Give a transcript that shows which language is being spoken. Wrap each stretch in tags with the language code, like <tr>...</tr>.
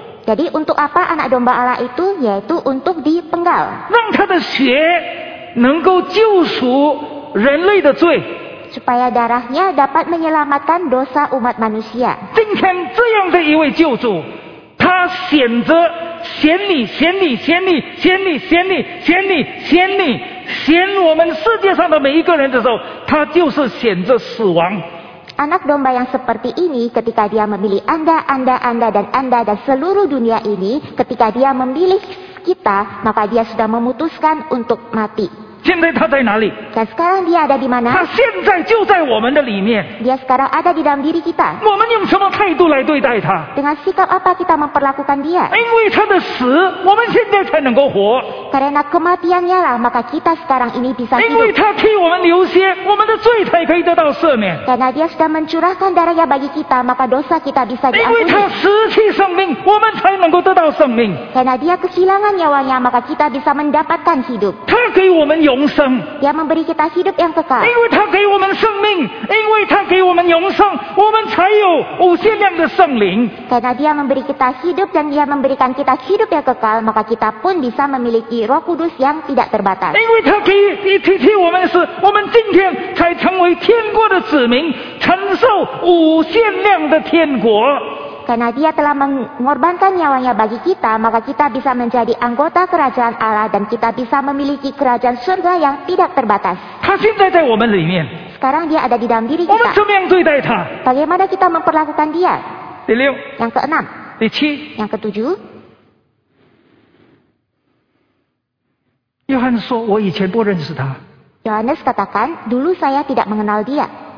<id>Jadi untuk apa anak domba Allah itu? Yaitu untuk dipenggal.</id> <zh>让他的血能够救赎人类的罪。</zh> <id>Supaya darahnya dapat menyelamatkan dosa umat manusia.</id> <zh>今天这样的一位救主, 他选择 选你，选你，选你，选你，选你，选你，选你，选我们世界上的每一个人的时候，他就是选择死亡。</zh> <id>Anak domba yang seperti ini, ketika dia memilih Anda, Anda, Anda, dan Anda, dan seluruh dunia ini, ketika dia memilih kita, maka dia sudah memutuskan untuk mati.</id> <zh>现在他在哪里?</zh> <id>Dan sekarang dia ada di mana?</id> <zh>他现在就在我们的里面。</zh> <id>Dia sekarang ada di dalam diri kita.</id> <zh>我们用什么态度来对待他?</zh> <id>Dengan sikap apa kita memperlakukan dia?</id> <zh>因为他的死, 我们现在才能够活。</zh> <id>Karena kematiannya lah, maka kita sekarang ini bisa hidup.</id> <zh>因为他替我们流血, 我们的罪才可以得到赦免。</zh> <id>Karena dia sudah mencurahkan darahnya bagi kita, maka dosa kita bisa diampuni.</id> <zh>因为他失去生命, 我们才能够得到生命。</zh> <id>Karena dia kehilangan nyawanya, maka kita bisa mendapatkan hidup.</id> <zh>他给我们</zh> <id>Dia memberi kita hidup yang kekal.</id> <zh>因为他给我们生命, 因为他给我们永生, 我们才有无限量的圣灵。</zh> <id>Karena dia memberi kita hidup dan dia memberikan kita hidup yang kekal, maka kita pun bisa memiliki Roh Kudus yang tidak terbatas.</id> <zh>因为他给我们是, 我们今天才成为天国的子民, 承受无限量的天国。</zh> <id>Karena dia telah mengorbankan nyawanya bagi kita, maka kita bisa menjadi anggota kerajaan Allah dan kita bisa memiliki kerajaan surga yang tidak terbatas.</id> <zh>他现在在我们里面.</zh> <id>Sekarang dia ada di dalam diri kita.</id> <zh>我们怎么样对待他?</zh> <id>Bagaimana kita memperlakukan dia?</id> <zh>第六.</zh> <id>Yang keenam.</id> <zh>第七.</zh> <id>Yang ketujuh.</id> <zh>约翰说，我以前不认识他.</zh> <id>Yohanes katakan, dulu saya tidak mengenal dia.</id>